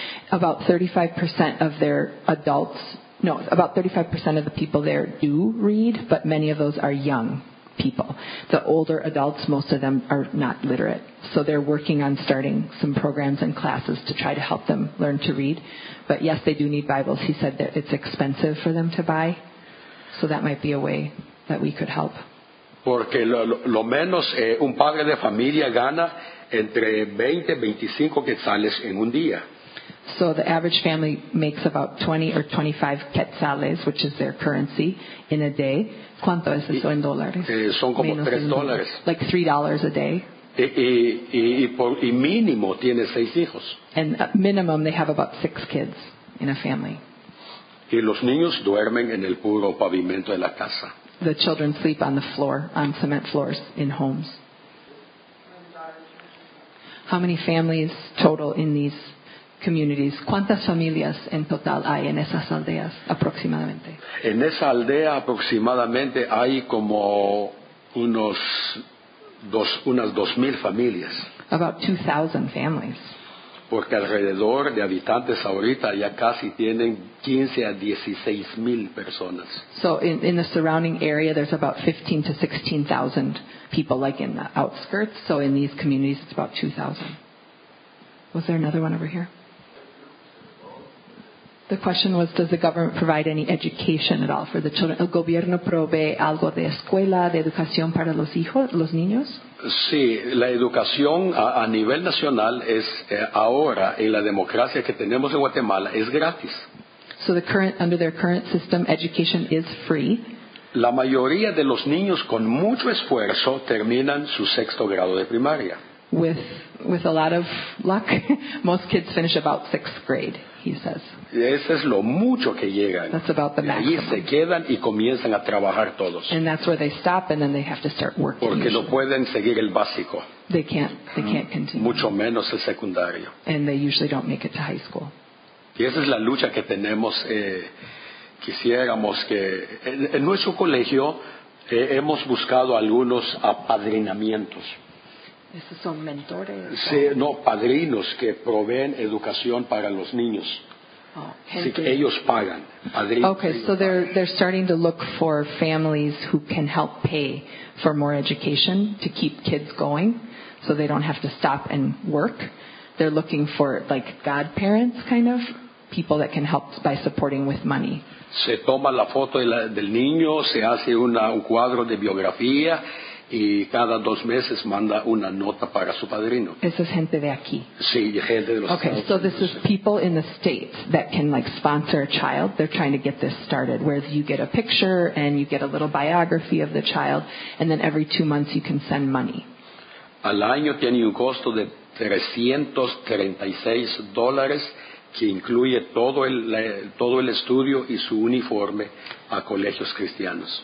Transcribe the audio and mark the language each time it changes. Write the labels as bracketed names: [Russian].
[English] About 35% of their adults, no, about 35% of the people there do read, but many of those are young people. The older adults, most of them are not literate. So they're working on starting some programs and classes to try to help them learn to read. But yes, they do need Bibles. He said that it's expensive for them to buy. So that might be a way that we could help. [Spanish] Porque lo menos un padre de familia gana entre 20 y 25 quetzales en un día. [English] So the average family makes about 20 or 25 quetzales, which is their currency, in a day. [Spanish] ¿Cuánto es eso en dólares? Son como $3. [English] Like $3 a day. [Spanish] Y mínimo tiene 6 hijos. [English] And minimum they have about 6 kids in a family. [Spanish] Y los niños duermen en el puro pavimento de la casa. [English] The children sleep on the floor, on cement floors in homes. How many families total in these communities? [Spanish] ¿Cuántas familias en total hay en esas aldeas aproximadamente? En esa aldea aproximadamente hay como unas 2,000 familias. [English] About 2,000 families. [Spanish] Porque alrededor de habitantes ahorita ya casi tienen 15 a 16 mil personas. [English] So in the surrounding area there's about 15 to 16,000 people, like in the outskirts. So in these communities it's about 2,000. Was there another one over here? The question was, does the government provide any education at all for the children? [Spanish] ¿El gobierno provee algo de escuela, de educación para los hijos, los niños? Sí, la educación a nivel nacional es ahora, en la democracia que tenemos en Guatemala, es gratis. [English] So the current, under their current system, education is free. [Spanish] La mayoría de los niños con mucho esfuerzo terminan su sexto grado de primaria. [English] With a lot of luck, most kids finish about sixth grade, he says. [Spanish] Eso es lo mucho que llegan. [English] That's about the maximum. [Spanish] Y ahí se quedan y comienzan a trabajar todos. [English] And that's where they stop, and then they have to start working. [Spanish] Porque no pueden seguir el básico. [English] They can't continue. [Spanish] Mucho menos el secundario. [English] And they usually don't make it to high school. [Spanish] Y esa es la lucha que tenemos. Quisiéramos que en nuestro colegio hemos buscado algunos apadrinamientos. Esos son mentores. Sí, no, padrinos que proveen educación para los niños. Oh, que ellos pagan. [English] Okay, so they're starting to look for families who can help pay for more education to keep kids going, so they don't have to stop and work. They're looking for like godparents, kind of people that can help by supporting with money. [Spanish] Se toma la foto del niño, se hace un cuadro de biografía, y cada dos meses manda una nota para su padrino. Eso es gente de aquí. Sí, gente de los [English] Okay, [Spanish] Estados [English] so this [Spanish] Unidos. [English] Is people in the States that can like sponsor a child. They're trying to get this started, where you get a picture and you get a little biography of the child, and then every 2 months you can send money. [Spanish] Al año tiene un costo de $336, que incluye todo el estudio y su uniforme a colegios cristianos.